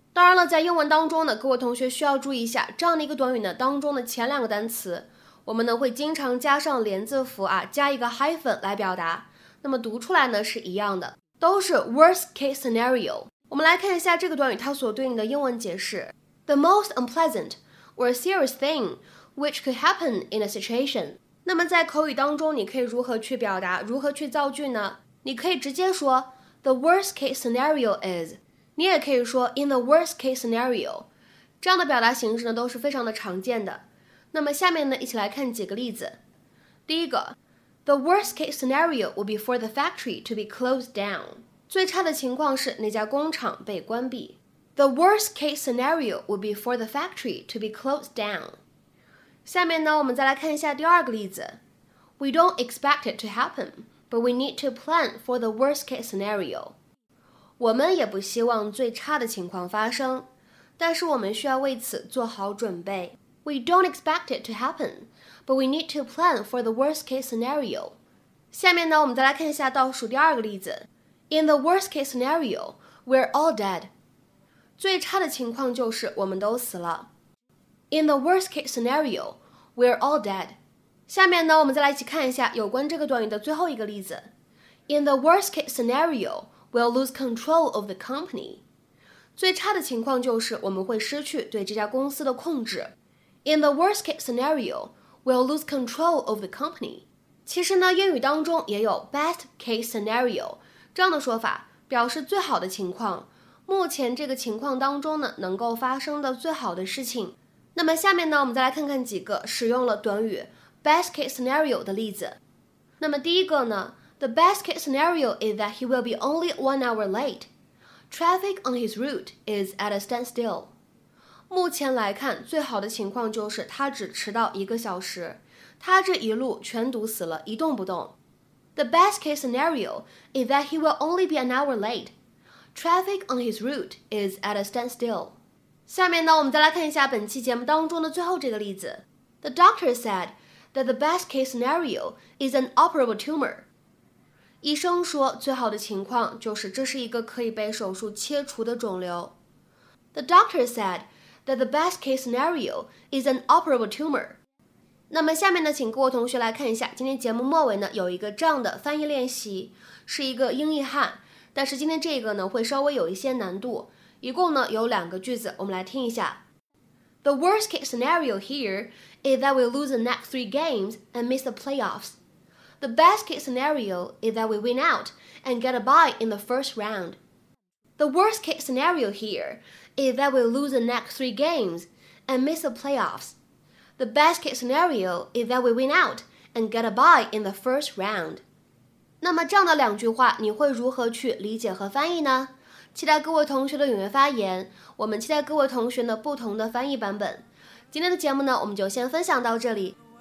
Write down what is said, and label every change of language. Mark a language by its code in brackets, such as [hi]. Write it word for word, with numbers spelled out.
[zh] 当然了，在英文当中呢，各位同学需要注意一下，这样的一个短语呢当中的前两个单词，我们呢会经常加上连字符啊，加一个 hyphen 来表达。那么读出来呢是一样的，都是 [en] worst case scenario。 [zh] 我们来看一下这个短语它所对应的英文解释。 [en] The most unpleasant or serious thing which could happen in a situation. [zh] 那么在口语当中你可以如何去表达，如何去造句呢？你可以直接说 [en] The worst case scenario is. [zh] 你也可以说 [en] In the worst case scenario. [zh] 这样的表达形式呢都是非常的常见的。那么下面呢一起来看几个例子。第一个 [en] The worst case scenario would be for the factory to be closed down. [zh] 最差的情况是那家工厂被关闭。 [en] The worst case scenario would be for the factory to be closed down. [zh] 下面呢，我们再来看一下第二个例子。 [en] We don't expect it to happen, but we need to plan for the worst case scenario. [zh] 我们也不希望最差的情况发生，但是我们需要为此做好准备。 [en] We don't expect it to happen, but we need to plan for the worst case scenario. [zh] 下面呢，我们再来看一下倒数第二个例子。 [en] In the worst case scenario, we're all dead. [zh] 最差的情况就是我们都死了。 [en] In the worst case scenario, we're all dead. [zh] 下面呢，我们再来一起看一下有关这个短语的最后一个例子。 [en] In the worst case scenario, we'll lose control of the company. [zh] 最差的情况就是我们会失去对这家公司的控制。 [en] In the worst case scenario, we'll lose control of the company. [zh] 其实呢，英语当中也有 [en] best case scenario [zh] 这样的说法，表示最好的情况，目前这个情况当中呢，能够发生的最好的事情。那么下面呢，我们再来看看几个使用了短语 [en] best case scenario [zh] 的例子。那么第一个呢， [en] the best case scenario is that he will be only one hour late. Traffic on his route is at a standstill. [zh] 目前来看，最好的情况就是他只迟到一个小时，他这一路全堵死了，一动不动。 [en] The best case scenario is that he will only be an hour late. Traffic on his route is at a standstill. [zh] 下面呢，我们再来看一下本期节目当中的最后这个例子。 [en] The doctor said that the best case scenario is an operable tumor. [zh] 医生说，最好的情况就是这是一个可以被手术切除的肿瘤。 [en] The doctor said. that the best case scenario is an operable tumor. [zh] 那么下面呢，请各位同学来看一下，今天节目末尾呢有一个这样的翻译练习，是一个英译汉，但是今天这个呢会稍微有一些难度，一共呢有两个句子，我们来听一下。 [en] The worst case scenario here is that we lose the next three games and miss the playoffs. The best case scenario is that we win out and get a bye in the first round. The worst case scenario here is that we lose the next three games and miss the playoffs. The best case scenario is that we win out and get a bye in the first round. [zh] 那么这样的两句话，你会如何去理解和翻译呢？期待各位同学的踊跃发言，我们期待各位同学的不同的翻译版本。今天的节目呢，我们就先分享到这里。